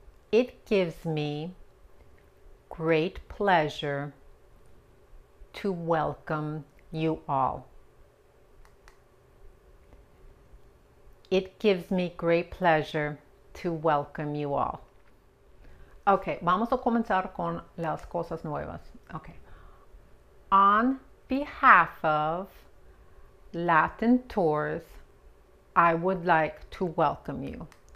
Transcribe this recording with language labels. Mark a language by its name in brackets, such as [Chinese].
[English] It gives me great pleasure to welcome you all. It gives me great pleasure to welcome you all. [Spanish] Ok, vamos a comenzar con las cosas nuevas. Ok. [English] On behalf of Latin Tours, I would like to welcome you.